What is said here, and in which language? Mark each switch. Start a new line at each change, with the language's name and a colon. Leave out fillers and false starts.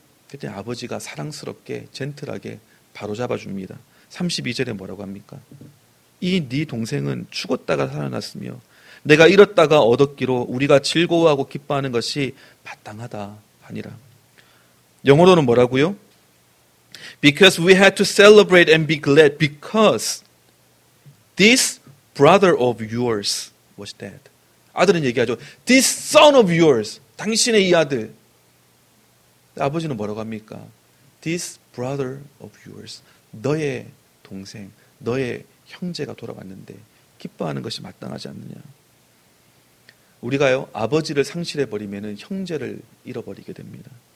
Korean: 그때 아버지가 사랑스럽게 젠틀하게 바로잡아줍니다. 32절에 뭐라고 합니까? 이 네 동생은 죽었다가 살아났으며 내가 잃었다가 얻었기로 우리가 즐거워하고 기뻐하는 것이 마땅하다 하니라. 영어로는 뭐라고요?
English: Because we had to celebrate and be glad because this brother of yours was dead.
Korean: 아들은 얘기하죠.
English: This son of yours.
Korean: 당신의 이 아들. 아버지는 뭐라고 합니까?
English: This brother of yours.
Korean: 너의 동생, 너의 형제가 돌아왔는데 기뻐하는 것이 마땅하지 않느냐. 우리가요, 아버지를 상실해버리면 형제를 잃어버리게 됩니다.